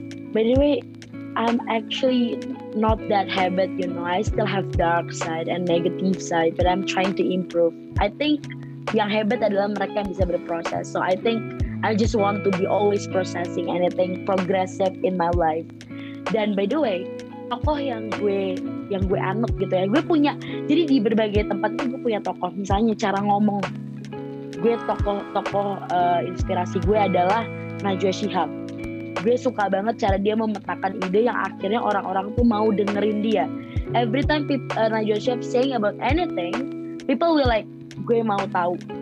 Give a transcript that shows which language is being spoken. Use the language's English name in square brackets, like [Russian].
[English] By the way, I'm actually not that [Indonesian] hebat, [English] you know. I still have dark side and negative side, but I'm trying to improve. I think [Indonesian] yang hebat adalah mereka yang bisa berproses. [English] So I think I just want to be always processing anything progressive in my life. [Indonesian] Dan [English] by the way, [Indonesian] tokoh yang gue anut gitu ya, gue punya, jadi di berbagai tempat itu gue punya tokoh. Misalnya cara ngomong, gue tokoh inspirasi gue adalah Najwa Shihab. gue suka banget cara dia memetakan ide yang akhirnya orang-orang tuh mau dengerin dia. [English] Every time people, Najwa Shihab saying about anything, people will like, [Indonesian] gue mau tahu.